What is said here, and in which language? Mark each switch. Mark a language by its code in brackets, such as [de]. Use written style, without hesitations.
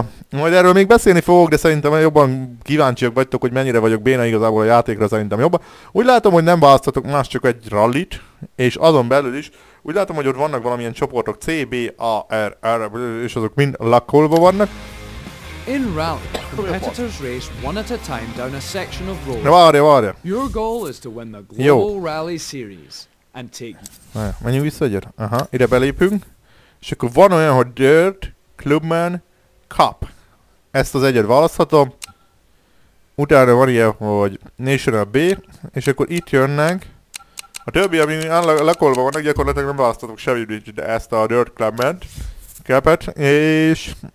[hu] Majd erről még beszélni fogok, de szerintem jobban kíváncsiak vagytok, hogy mennyire vagyok béna igazából a játékra, szerintem jobban. Úgy látom, hogy nem választhatok más, csak egy rallit, és azon belül is, úgy látom, hogy ott vannak valamilyen csoportok, C, B, A, R, R, és azok mind lakolva vannak. [en] In rally, competitors race one at a time down a section of road. [hu] Várja. [en] Your goal is to win the global rally series and take. [hu] Na, menjünk vissza egyet. Aha, ide belépünk. És akkor van olyan, hogy Dirt, Clubman, Cup. Ezt az egyet választhatom. Utána van ilyen, hogy National B, és akkor itt jönnek. A többi, ami lakolva vannak, gyakorlatilag nem választottuk semmit, de ezt a Dirt Clubment kepet, és...